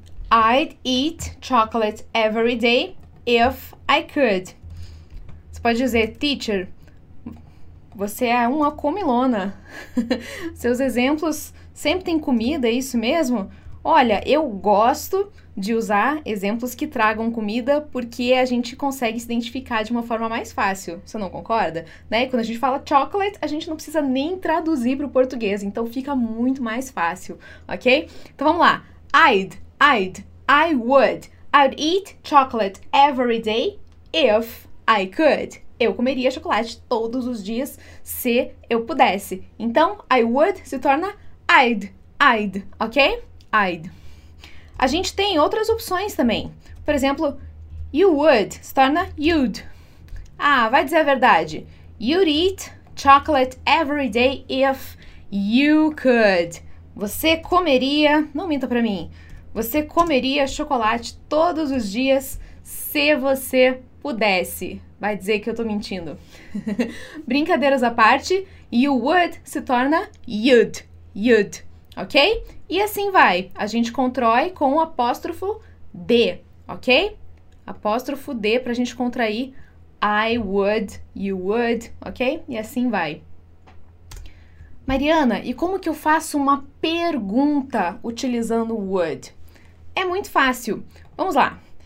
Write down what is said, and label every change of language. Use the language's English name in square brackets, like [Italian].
[English] I'd eat chocolate every day if I could. [Portuguese] Você pode dizer: teacher, você é uma comilona. Seus exemplos sempre têm comida, é isso mesmo? Olha, eu gosto de usar exemplos que tragam comida porque a gente consegue se identificar de uma forma mais fácil. Você não concorda? Né? E quando a gente fala chocolate, a gente não precisa nem traduzir para o português. Então, fica muito mais fácil, ok? Então, vamos lá. [English] I'd eat chocolate every day if I could. [Portuguese] Eu comeria chocolate todos os dias se eu pudesse. Então, [English] I would [Portuguese] se torna [English] I'd, [Portuguese] ok? [English] I'd. [Portuguese] A gente tem outras opções também. Por exemplo, [English] you would [Portuguese] se torna [English] you'd. [Portuguese] Ah, vai dizer a verdade. [English] You'd eat chocolate every day if you could. [Portuguese] Você comeria... Não minta pra mim. Você comeria chocolate todos os dias se você pudesse. Vai dizer que eu tô mentindo. Brincadeiras à parte, [English] you would [Portuguese] se torna [English] you'd. You'd, ok? [Portuguese] E assim vai. A gente constrói com o apóstrofo D, ok? apóstrofo D para a gente contrair [English] I would, you would, [Portuguese] ok? E assim vai. Mariana, e como que eu faço uma pergunta utilizando would? É muito fácil. Vamos lá.